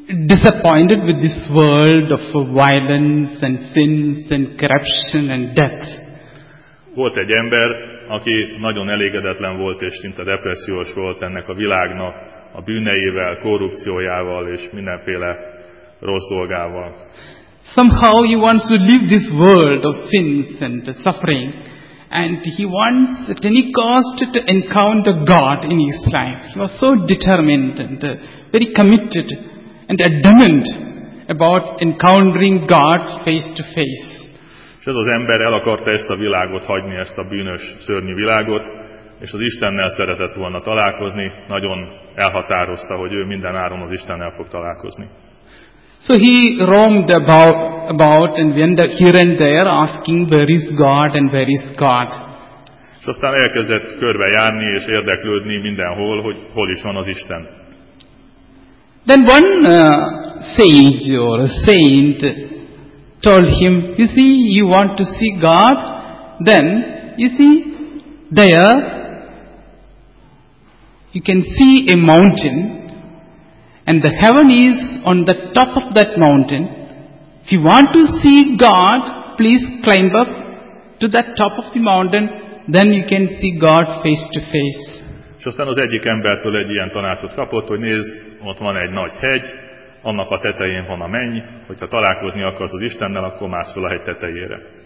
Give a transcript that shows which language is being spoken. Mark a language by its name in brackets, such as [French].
[English] disappointed with this world of violence and sins and corruption and death. [Hungarian] Volt egy ember, aki nagyon elégedetlen volt és szinte depressziós volt ennek a világnak a bűneivel, korrupciójával és mindenféle rossz dolgával. [English] Somehow he wants to leave this world of sins and suffering, and he wants at any cost to encounter God in his life. He was so determined and very committed and adamant about encountering God face to face. [Hungarian] És ez az ember el akarta ezt a világot hagyni, ezt a bűnös, szörnyű világot, és az Istennel szeretett volna találkozni, nagyon elhatározta, hogy ő minden áron az Istennel fog találkozni. [English] So he roamed about and went here and there asking where is God and where is God. [Hungarian] És aztán elkezdett körbe járni és érdeklődni mindenhol, hogy hol is van az Isten. [English] Then one sage or a saint told him, you see, you want to see God, then you see there you can see a mountain. And the heaven is on the top of that mountain. If you want to see God, please climb up to that top of the mountain. Then you can see God face to face. [Hungarian] És aztán az egyik embertől egy ilyen tanácsot kapott, hogy nézd, ott van egy nagy hegy, annak a tetején van a menny, hogyha találkozni akarsz az Istennel, akkor mász fel a hegy tetejére.